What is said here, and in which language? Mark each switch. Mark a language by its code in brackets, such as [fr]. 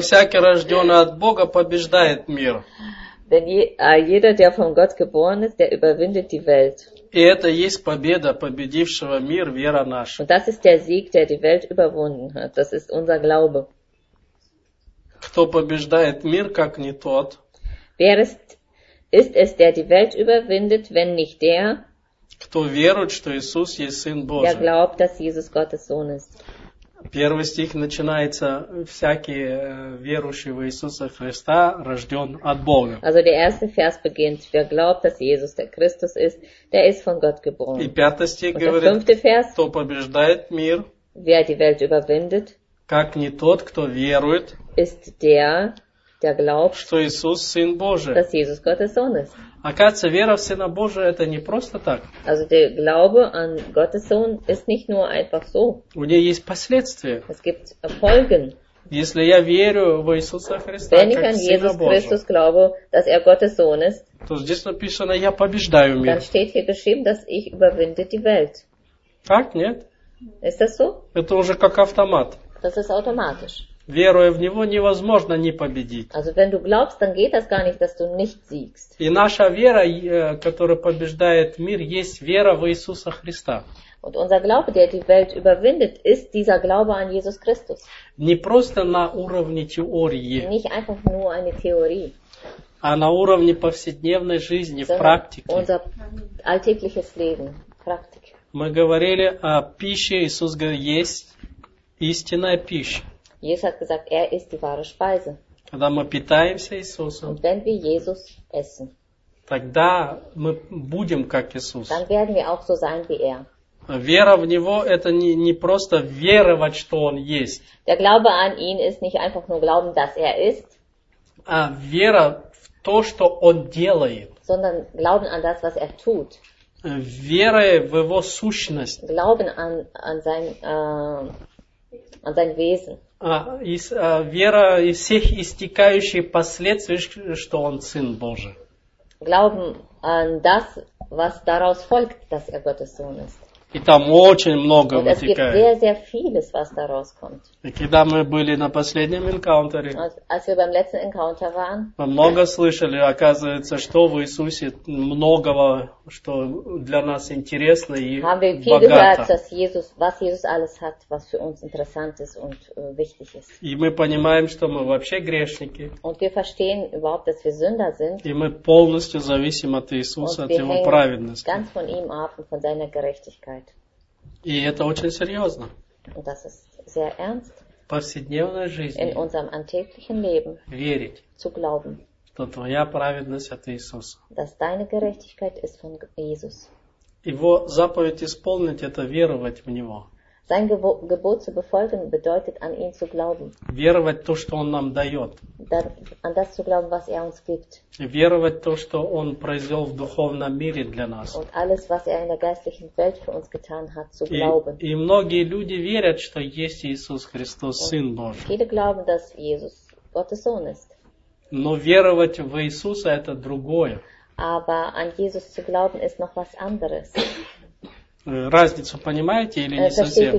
[ru] всякий рожденный от Бога побеждает мир. [de] Jeder, der von Gott geboren ist, der überwindet die Welt. [ru] И это есть победа победившего мир, вера наша. [de] Und das ist der Sieg, der die Welt überwunden hat. Das ist unser Glaube. [ru] Кто побеждает мир, как не тот? [de] Wer ist es, der die Welt überwindet, wenn nicht der? [ru] Кто верует, что Иисус есть Сын Божий? [de] Der glaubt, dass Jesus Gottes Sohn ist. [ru] Первый стих начинается: всякий верующий в Иисуса Христа рожден от Бога. [de] Also der erste Vers beginnt: Wer glaubt, dass Jesus der Christus ist, der ist von Gott geboren. [ru] И пятый стих [de] und [ru] говорит: [de] der fünfte Vers, [ru] кто побеждает мир, [de] wer die Welt überwindet, [ru] как не тот, кто верует, [de] ist der, der glaubt, [ru] что Иисус Сын Божий, [de] dass Jesus Gottes Sohn ist. [ru] Оказывается, вера в Сына Божия это не просто так. [de] Also der Glaube an Gottes Sohn ist nicht nur einfach so. [ru] У нее есть последствия. [de] Es gibt Folgen. [ru] Если я верю в Иисуса Христа, [de] wenn [ru] как [de] ich an [ru] Сына [de] Jesus [ru] Божия, [de] Christus glaube, dass er Gottes Sohn ist, [ru] то здесь написано, я побеждаю мир. [de] Dann steht hier geschrieben, dass ich überwinde die Welt. [ru] Так, нет? [de] Ist das so? [ru] Это уже как автомат. [de] Das ist automatisch. [ru] Веруя в Него, невозможно не победить. [de] Also wenn du glaubst, dann geht das gar nicht, dass du nicht siegst. [ru] И наша вера, которая побеждает мир, есть вера в Иисуса Христа. [de] Und unser Glaube, der die Welt überwindet, ist dieser Glaube an Jesus Christus. [ru] Не просто на уровне теории. [de] Nicht einfach nur eine Theorie. [ru] А на уровне повседневной жизни, в практике. [de] Unser alltägliches Leben, Praktik. [ru] Мы говорили о пище, Иисус говорит, есть истинная пища. [de] Jesus hat gesagt, er ist die wahre Speise. [ru] Когда мы питаемся Иисусом, [de] und wenn wir Jesus essen, [ru] тогда мы будем как Иисус. [de] Dann werden wir auch so sein wie er. [ru] Вера в Него – это не просто веровать, что Он есть. [de] Der Glaube an ihn ist nicht einfach nur glauben, dass er ist, [ru] а вера в то, что Он делает. [de] Sondern glauben an das, was er tut. [ru] Вера в Его сущность. [de] Glauben an sein Wesen. [ru] Вера и всех истекающих последствий, что Он Сын Божий. [de] Glauben an das, was daraus folgt, dass er Gottes Sohn ist. [ru] И там очень много вытекает. [de] Sehr, sehr vieles, was da rauskommt. [ru] И когда мы были на последнем энкаунтере, [de] als wir beim letzten Encounter waren, [ru] мы много слышали, оказывается, что в Иисусе многого, что для нас интересно и богато. [de] Haben wir viel gehört, dass Jesus, was Jesus alles hat, was für uns interessant ist und wichtig ist. [ru] И мы понимаем, что мы вообще грешники. [de] Und wir verstehen überhaupt, dass wir Sünder sind. [ru] И мы полностью зависим от Иисуса, [de] und [ru] от Его праведности. [de] Ganz von ihm ab und von seiner Gerechtigkeit. [ru] И это очень серьезно. [de] Das ist sehr ernst. [ru] В повседневной жизни. [de] In unserem alltäglichen Leben. [ru] Верить. [de] Zu glauben. [ru] Что твоя праведность от Иисуса. [de] Dass deine Gerechtigkeit ist von Jesus. [ru] Его заповедь исполнить – это веровать в Него. [de] Sein Gebot zu befolgen bedeutet an ihn zu glauben. [ru] Веровать то, что Он нам дает. [de] An das zu glauben, was er uns gibt. [ru] Веровать то, что Он произвел в духовном мире для нас. [de] Und alles, was er in der geistlichen Welt für uns getan hat, zu glauben. [ru] И многие люди верят, что есть Иисус Христос, Сын Божий. [de] Viele glauben, dass Jesus Gottes Sohn ist. [ru] Но веровать в Иисуса – это другое. [de] Aber an Jesus zu glauben ist noch was anderes. [ru] Разницу понимаете или не совсем?